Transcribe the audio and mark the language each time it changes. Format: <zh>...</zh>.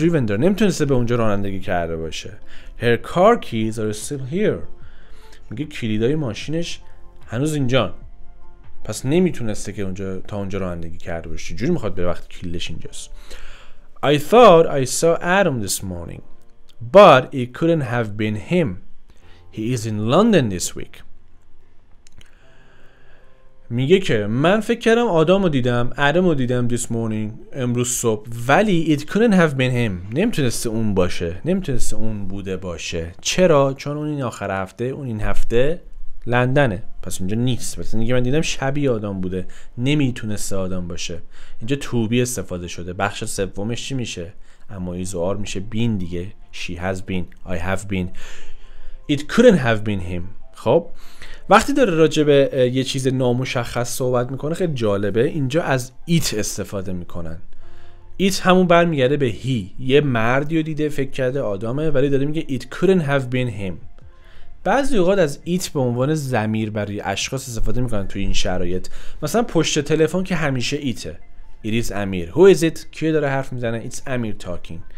<fa>نمیتونسته به اونجا رانندگی کرده باشه.</fa> <en>her car keys are still here،</en> <fa>میگه کلیدای ماشینش هنوز اینجان، پس نمیتونسته که اونجا تا اونجا رانندگی کرده باشه. چجوری میخواد به وقت کلیدش اینجاست.</fa> <en>I thought I saw Adam this morning but it couldn't have been him، he is in London this week.</en> <fa>میگه که من فکر کردم آدم رو دیدم</fa> <en>this morning،</en> <fa>امروز صبح، ولی</fa> <en>it couldn't have been him،</en> <fa>نمیتونسته اون باشه، نمیتونسته اون بوده باشه. چرا؟ چون اون این آخر هفته، اون این هفته لندنه، پس اونجا نیست. پس میگه من دیدم شبیه آدم بوده، نمیتونسته آدم باشه. اینجا to be استفاده شده. بخش سومش چی میشه؟ اما ایز و آر میشه been دیگه.</fa> <en>she has been، I have been، it couldn't have been him.</en> <fa>خب وقتی داره راجع به یه چیز نامشخص صحبت میکنه خیلی جالبه، اینجا از it استفاده میکنن. it همون برمیگرده به he، یه مردی رو دیده فکر کرده آدمه، ولی داره میگه</fa> <en>it couldn't have been him.</en> <fa>بعضی اوقات از it به عنوان ضمیر برای اشخاص استفاده میکنن تو این شرایط، مثلا پشت تلفن که همیشه ایته، it is امیر،</fa> <en>who is it،</en> <fa>کیه داره حرف میزنه،</fa> <en>it's</en> <fa>امیر</fa> <en>talking.</en>